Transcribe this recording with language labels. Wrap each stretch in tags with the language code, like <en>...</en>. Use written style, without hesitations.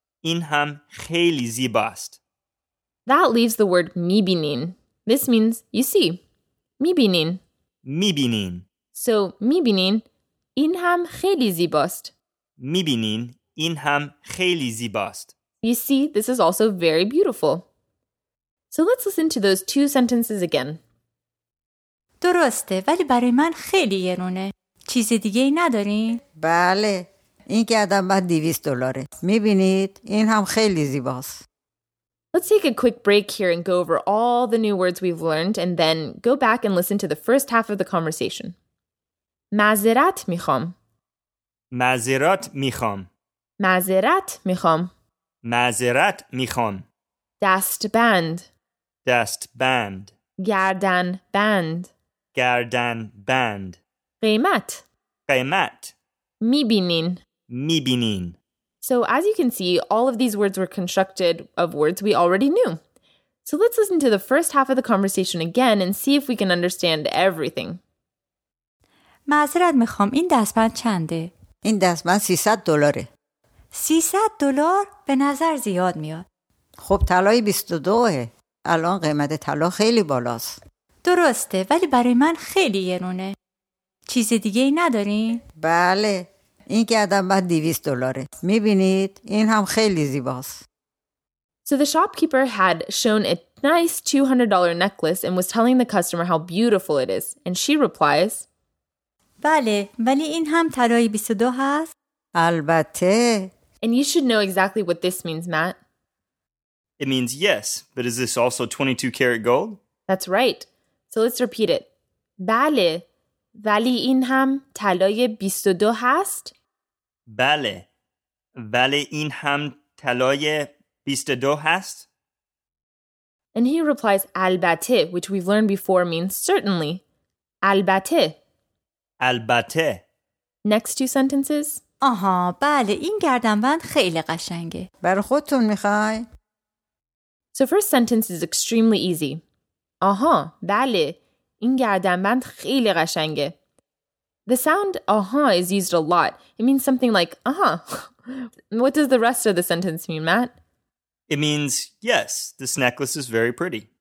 <fa>این هم خیلی زیباست.</fa> <en>That leaves the word میبینین. This means you see. میبینین.</en> <fa>میبینین. So میبینین این هم خیلی زیباست. میبینین این هم خیلی زیباست.</fa> <en>You see, this is also very beautiful. So let's listen to those two sentences again.</en> <fa>درسته ولی برای من خیلی گرونه. چیز دیگه ای ندارین؟ بله. این گردن بند 200 دلاره. میبینید این هم خیلی زیباست.</fa> <en>Let's take a quick break here and go over all the new words we've learned and then go back and listen to the first half of the conversation.</en> <fa>معذرت میخوام. معذرت میخوام. معذرت میخوام. معذرت میخوام. دست بند. دست بند. گردن بند. گردن بند. قیمت. قیمت. میبینین. میبینین.</fa> <en>So as you can see, all of these words were constructed of words we already knew. So let's listen to the first half of the conversation again and see if we can understand everything.</en> <fa>معذرت میخوام این دستبند چنده؟ این دستبند 300 دلاره. 300 دلار به نظر زیاد میاد. خب طلای 22ه. الان قیمت طلا خیلی بالاست. درسته ولی برای من خیلی گرونه. چیز دیگه ای ندارین؟ بله. این گردن بند 200 دلاره. میبینید این هم خیلی زیباست.</fa> <en>So the shopkeeper had shown a nice $200 necklace and was telling the customer how beautiful it is. And she replies,</en> <fa>بله ولی این هم طلای 22 هست؟ البته.</fa> <en>And you should know exactly what this means, Matt. It means yes, but is this also 22 karat gold? That's right. So let's repeat it.</en> <fa>بله ولی این هم طلای 22 هست؟ بله ولی این هم طلای 22 هست؟</fa> <en>And he replies البته, which we've learned before means certainly.</en> <fa>البته. البته.</fa> <en>Next two sentences.</en> <fa>آها بله این گردنبند خیلی قشنگه. بر خودتون میخوای؟</fa> <en>So first sentence is extremely easy.</en> <fa>آها بله این گردنبند خیلی قشنگه.</fa> <en>The sound آها is used a lot. It means something like آها. What does the rest of the sentence mean, Matt? It means yes, this necklace is very pretty.</en>